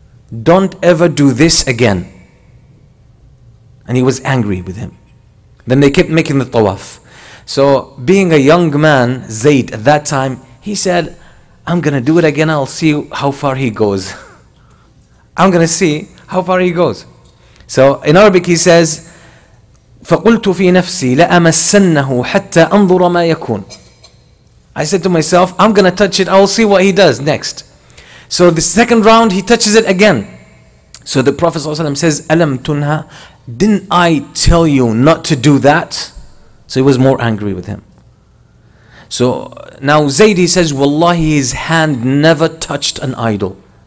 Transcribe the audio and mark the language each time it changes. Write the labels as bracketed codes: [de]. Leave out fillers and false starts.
[en] Don't ever do this again." And he was angry with him. Then they kept making the tawaf. So being a young man, Zayd, at that time, he said, "I'm going to do it again. I'll see how far he goes. I'm going to see how far he goes." So in Arabic he says, [ar] فَقُلْتُ فِي نَفْسِي لَأَمَسَّنَّهُ حَتَّى أَنْظُرَ مَا يَكُونَ. [en] I said to myself, I'm going to touch it, I'll see what he does next. So the second round he touches it again. So the Prophet ﷺ says, [ar] أَلَمْ تُنْهَى. [en] Didn't I tell you not to do that? So he was more angry with him. So now Zayd, he says, Wallahi, his hand never touched an idol.